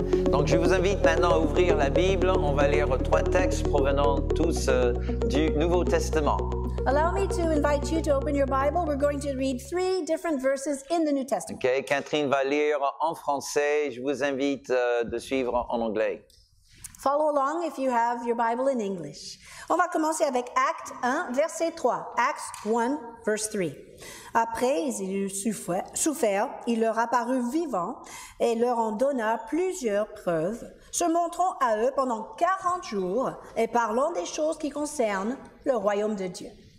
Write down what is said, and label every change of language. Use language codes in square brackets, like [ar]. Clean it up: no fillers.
[fr] Donc je vous invite maintenant à ouvrir la Bible. On va lire trois textes provenant tous du Nouveau Testament. [en] Allow me to invite you to open your Bible. We're going to read three different verses in the New Testament. [fr] Okay, Catherine va lire en français. Je vous invite de suivre en anglais. [en] Follow along if you have your Bible in English. [fr] On va commencer avec Acte 1, verset 3. [en] Acts 1, verse 3. [fr] Après, ils eurent souffert, il leur apparut vivant et leur en donna plusieurs preuves, se montrant à eux pendant 40 jours et parlant des choses qui concernent le royaume de Dieu.